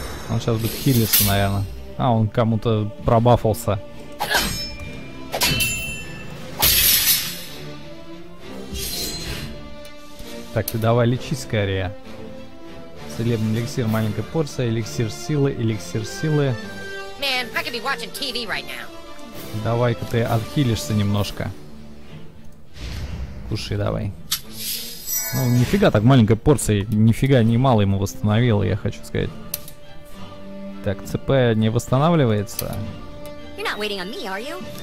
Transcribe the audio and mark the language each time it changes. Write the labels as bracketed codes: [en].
[ru] Он сейчас будет хилиться, наверное. А, он кому-то пробафался. Так, ты давай лечи скорее. Целебный эликсир, маленькая порция, эликсир силы, эликсир силы. [en] Man, I could be watching TV right now. [ru] Давай-ка ты отхилишься немножко. Кушай давай. Ну, нифига так, маленькая порция, нифига немало ему восстановила, я хочу сказать. Так, ЦП не восстанавливается. [en] You're not waiting on me, are you?